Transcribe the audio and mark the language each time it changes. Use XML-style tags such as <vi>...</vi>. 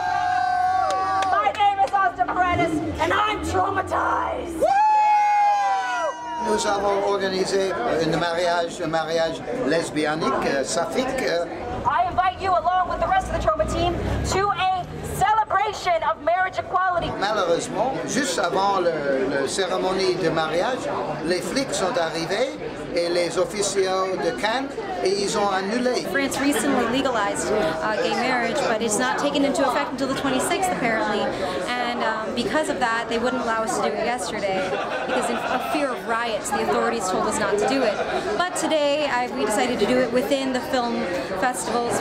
<en>My name is Austin Prentice and I'm traumatized. Woo!</en> <fr>Nous avons organisé un mariage lesbianique, saphique.</fr> <en>I invite you along with the rest of the Troma team to a celebration of marriage equality.</en> <fr>Malheureusement, juste avant la cérémonie de mariage, les flics sont arrivés et les officiers de Cannes, et ils ont annulé.</fr> <en>France recently legalized gay marriage, but it's not taken into effect until the 26th apparently. Because of that, they wouldn't allow us to do it yesterday, because in fear of riots, the authorities told us not to do it. But today, we decided to do it within the film festivals.</en>